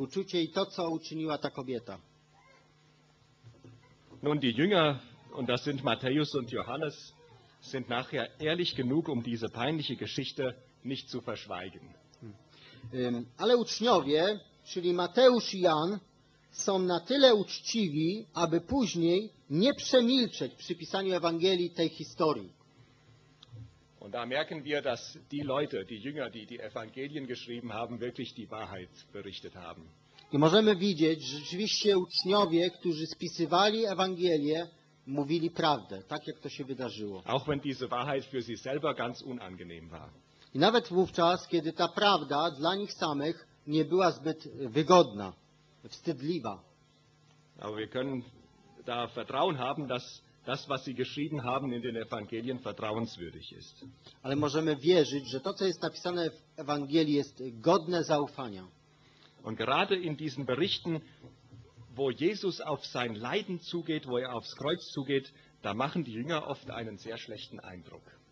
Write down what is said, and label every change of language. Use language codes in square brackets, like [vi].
[pl] uczucie i to, co uczyniła ta kobieta. [de] Nun, die Jünger, und das sind Matthäus und Johannes, sind nachher ehrlich genug, um diese peinliche Geschichte nicht zu verschweigen. [pl] Ale uczniowie, czyli Mateusz i Jan, są na tyle uczciwi, aby później nie przemilczeć przy pisaniu Ewangelii tej historii. [de] Und da merken wir, dass die Leute, die Jünger, die die Evangelien geschrieben haben, wirklich die Wahrheit berichtet haben. [pl] I możemy widzieć, że rzeczywiście uczniowie, którzy spisywali Ewangelię, mówili prawdę, tak jak to się wydarzyło. [de] Auch wenn diese Wahrheit für sie selber ganz unangenehm war. [pl] I nawet wówczas, kiedy ta prawda dla nich samych nie była zbyt wygodna, wstydliwa. [de] Aber wir können da Vertrauen haben, dass das, was sie geschrieben haben in den Evangelien, vertrauenswürdig ist. [pl] Ale możemy wierzyć, że to, co jest napisane w Ewangelii, jest godne zaufania. [de] Und gerade in diesen Berichten, wo Jesus auf sein Leiden zugeht, wo er aufs Kreuz zugeht, da machen die Jünger oft einen sehr schlechten Eindruck.